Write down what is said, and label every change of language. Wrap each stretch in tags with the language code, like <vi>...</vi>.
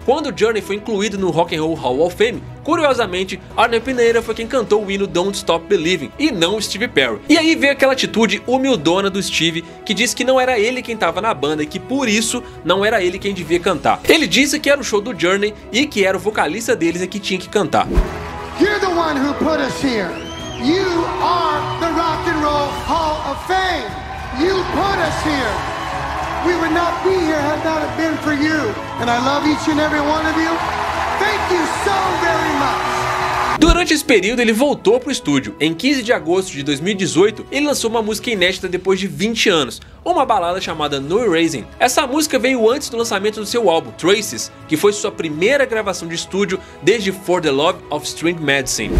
<pt>Quando o Journey foi incluído no Rock and Roll Hall of Fame, curiosamente, Arnel Pineira foi quem cantou o hino Don't Stop Believing, e não Steve Perry. E aí veio aquela atitude humildona do Steve, que disse que não era ele quem estava na banda e que por isso não era ele quem devia cantar. Ele disse que era o show do Journey e que era o vocalista deles e que tinha que cantar.</pt> <en>You're the one who put us here. You are the Rock and Roll Hall of Fame. You put us here. We would not be here had not it been for you. And I love each and every one of you. Thank you so very much.</en> <pt>Durante esse período, ele voltou pro estúdio. Em 15 de agosto de 2018, ele lançou uma música inédita depois de 20 anos, uma balada chamada No Erasing. Essa música veio antes do lançamento do seu álbum, Traces, que foi sua primeira gravação de estúdio desde For the Love of Strange Medicine.</pt>